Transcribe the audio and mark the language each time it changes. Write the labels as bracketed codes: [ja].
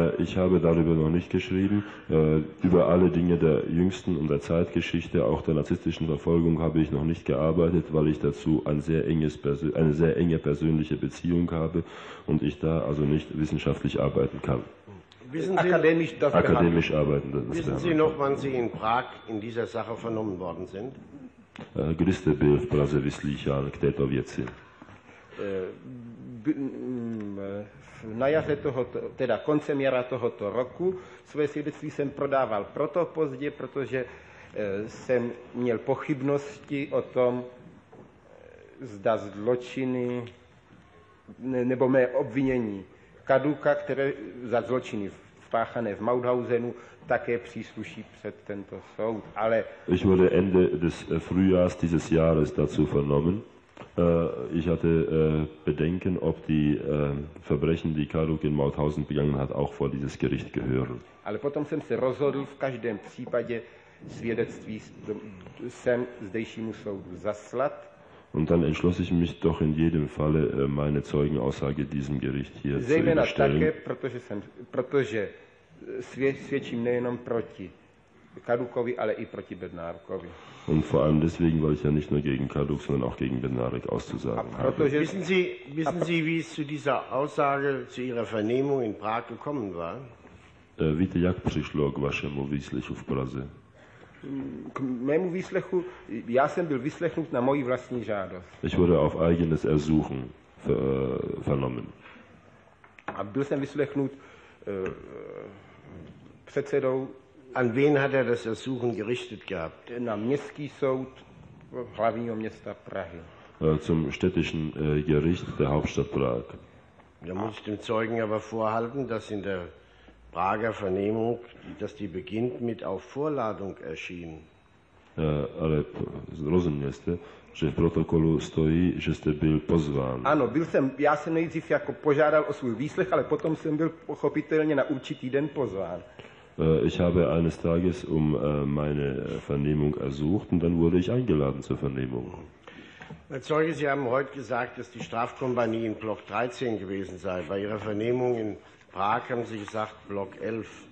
[de] Ich habe darüber noch nicht geschrieben. Über alle Dinge der jüngsten und der Zeitgeschichte, auch der narzisstischen Verfolgung, habe ich noch nicht gearbeitet, weil ich dazu eine sehr enge persönliche Beziehung habe und ich da also nicht wissenschaftlich arbeiten kann. Wissen Sie, akademisch, das akademisch arbeiten. Das wissen Sie noch, wann Sie in Prag in dieser Sache vernommen worden sind? [cs] Griste byl v Praze vyslýchán k této věci. Na jaře tohoto, teda koncem jara tohoto roku svoje svědectví jsem prodával proto pozdě, protože jsem měl pochybnosti o tom, zda zločiny, nebo mé obvinění Kaduka, které za zločiny spáchané v Mauthausenu, také přísluší před tento soud, ale... [de] Ich wurde Ende des Frühjahrs dieses Jahres dazu vernommen. Ich hatte Bedenken, ob die Verbrechen, die Kaduk in Mauthausen begangen hat, auch vor dieses Gericht gehören. [cs] Ale potom jsem se rozhodl v každém případě svědectví sem zdejšímu soudu zaslat. [de] Und dann entschloss ich mich doch in jedem Falle, meine Zeugenaussage diesem Gericht hier [cs] zejména [de] zu überstellen. [cs] Zejména také, protože svědčím nejenom proti Kadukovi, ale i proti Bednárkovi. [de] Und vor allem deswegen, weil ich ja nicht nur gegen Kaduk, sondern auch gegen Bednárek auszusagen habe. Wissen Sie, wie es zu dieser Aussage, zu Ihrer Vernehmung in Prag gekommen war? [cs] Víte, jak přišlo k vašemu výslechu v Praze? K mému výslechu, já jsem byl vyslechnut na moji vlastní žádost. Ich wurde auf eigenes Ersuchen vernommen. A byl jsem vyslechnut předsedou [de] An wen hat er das Ersuchen gerichtet gehabt? [cs] Na, Městský soud hlavního města Prahy. [de] Zum städtischen Gericht der Hauptstadt Prag. Da muss ich dem Zeugen aber vorhalten, dass in der Prager Vernehmung, dass die beginnt mit auf Vorladung erschienen. [cs] Ale rozuměl jste, že v protokolu stojí, že jste byl pozván. Ano, byl jsem, já jsem nejdřív jako požádal o svůj výslech, ale potom jsem byl pochopitelně na určitý den pozván. [de] Ich habe eines Tages um meine Vernehmung ersucht und dann wurde ich eingeladen zur Vernehmung. Herr Zeuge, Sie haben heute gesagt, dass die Strafkompanie in Block 13 gewesen sei. Bei Ihrer Vernehmung in Prag haben Sie gesagt, Block 11.